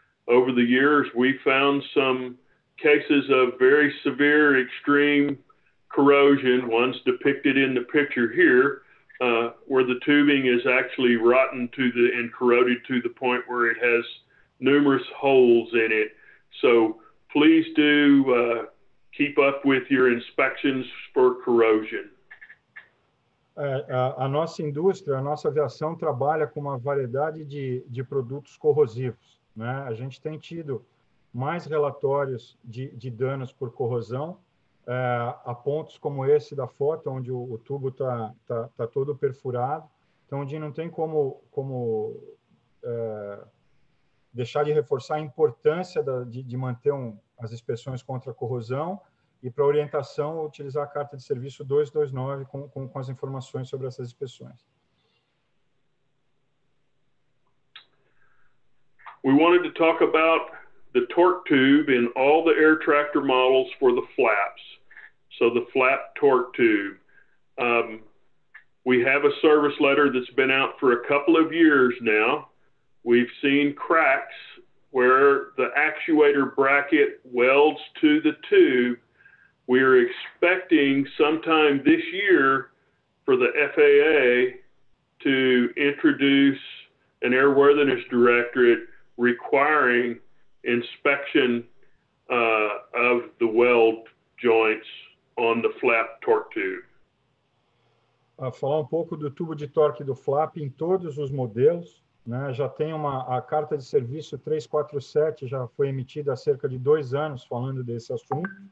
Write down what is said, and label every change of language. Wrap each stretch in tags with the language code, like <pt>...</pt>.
<en>Over the years, we found some cases of very severe, extreme corrosion, ones depicted in the picture here, where the tubing is actually rotten and corroded to the point where it has numerous holes in it. So please do keep up with your inspections for corrosion.</en> <pt>A nossa indústria, a nossa aviação trabalha com uma variedade de produtos corrosivos, né? A gente tem tido mais relatórios de danos por corrosão. A pontos como esse da foto, onde o tubo tá todo perfurado. Então, onde não tem como deixar de reforçar a importância de manter as inspeções contra a corrosão e, para orientação, utilizar a carta de serviço 229 com as informações sobre essas inspeções.</pt> <en>We wanted to talk about the torque tube in all the air tractor models for the flaps. So the flap torque tube. We have a service letter that's been out for a couple of years now. We've seen cracks where the actuator bracket welds to the tube. We're expecting sometime this year for the FAA to introduce an airworthiness directorate requiring inspection of the weld joints on the flap torque tube.</en> <pt>Falar um pouco do tubo de torque do flap em todos os modelos, né? Já tem a carta de serviço 347, já foi emitida há cerca de 2 anos falando desse assunto.</pt>